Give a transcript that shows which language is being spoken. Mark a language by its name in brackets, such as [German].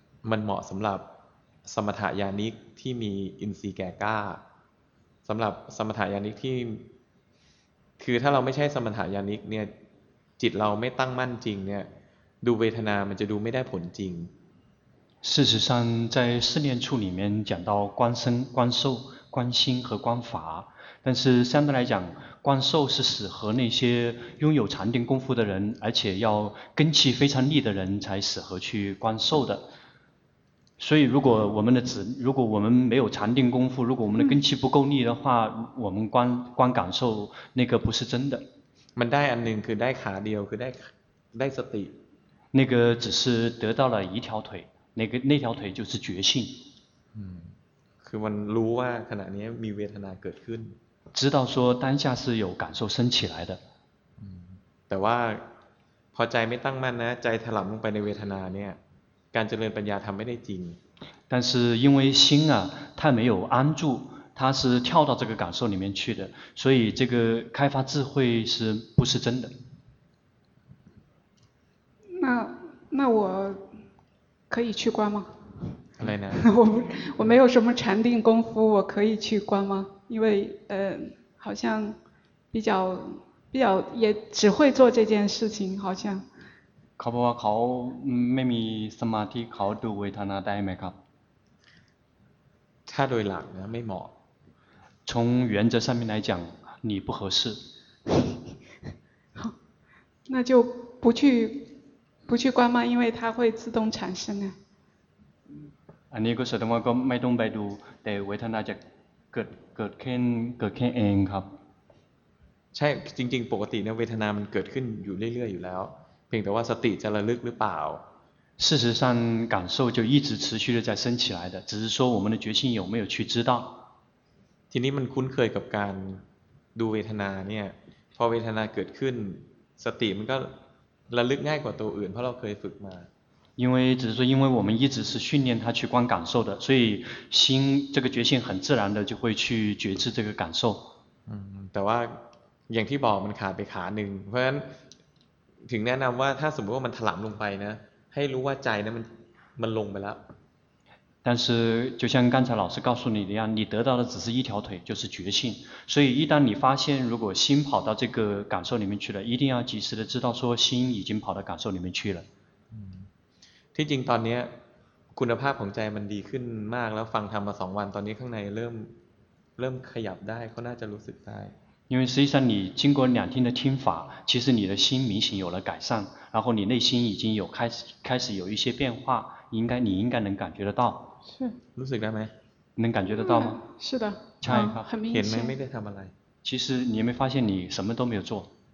[Thai] มันเหมาะสำหรับสมถญาณิกที่มีอินทรีย์แก่กล้าสำหรับสมถญาณิกที่คือถ้าเราไม่ใช่สมถญาณิกเนี่ยจิตเราไม่ตั้งมั่นจริงเนี่ยดูเวทนามันจะดูไม่ได้ผลจริง [Chinese] 事实上在四念处里面讲到观身观受观心和观法但是相对来讲观受是适合那些拥有禅定功夫的人而且要根气非常利的人才适合去观受的所以如果我们没有禅定功夫如果我们的根气不够力的话我们观感受那个不是真的 [Thai] มันได้อันหนึ่งคือได้ขาเดียวคือได้สติ [Chinese] 那个只是得到了一条腿那条腿就是觉性 [Thai] คือมันรู้ว่าขณะนี้มีเวทนาเกิดขึ้น [Chinese] 知道说当下是有感受升起来的 [Thai] แต่ว่าพอใจไม่ตั้งมั่นนะใจถลำลงไปในเวทนาเนี่ยการเจริญปัญญาทำไม่ได้จริง [Chinese] 但是因为心啊它没有安住它是跳到这个感受里面去的所以这个开发智慧是不是真的那我可以去观吗 [Thai] อะไรนะ [Chinese] 我没有什么禅定功夫我可以去观吗因为好像比较也只会做这件事情好像 [Thai] เขาบอกว่าเขาไม่มีสมาธิเขาดูเวทนาได้ไหมครับ ถ้าโดยหลักนะไม่เหมาะ [Chinese] 从原则上面来讲你不合适那就不去观吗因为它会自动产生 [Thai] อันนี้ก็แสดงว่าก็ไม่ต้องไปดูแต่เวทนาจะเกิดขึ้นเองครับ ใช่จริงๆปกติเนี่ยเวทนามันเกิดขึ้นอยู่เรื่อยๆอยู่แล้วเพียงแต่ว่าสติจะระลึกหรือเปล่า [Chinese] 事实上感受就一直持续的在升起来的只是说我们的觉性有没有去知道 [Thai] ทีนี้มันคุ้นเคยกับการดูเวทนาเนี่ยพอเวทนาเกิดขึ้นสติมันก็ระลึกง่ายกว่าตัวอื่นเพราะเราเคยฝึกมา [Chinese] 因为只是说因为我们一直是训练它去观感受的所以心这个觉性很自然的就会去觉知这个感受 [Thai] แต่ว่าอย่างที่บอกมันขาดไปขาหนึ่งเพราะฉะนั้นถึงแนะนำว่าถ้าสมมติว่ามันถลำลงไปนะให้รู้ว่าใจนะมันลงไปแล้ว [Chinese] 但是就像刚才老师告诉你的样你得到的只是一条腿就是觉性所以一旦你发现如果心跑到这个感受里面去了一定要及时的知道说心已经跑到感受里面去了 [Thai] ที่จริงตอนนี้คุณภาพของใจมันดีขึ้นมากแล้วฟังธรรมมา2วันตอนนี้ข้างในเริ่มขยับได้เขาน่าจะรู้สึกได้ [Chinese] 因为实际上你经过两天的听法其实你的心明显有了改善然后你内心已经有开始有一些变化你应该能感觉得到是 [Thai] รู้สึกได้ไ [Chinese] หม能感觉得到吗是的 [Thai] ใช่ครับ [Chinese] 很明显 [Thai] เห็นไหมไม่ได้ทำอะไร [Chinese] 其实你有没有发现你什么都没有做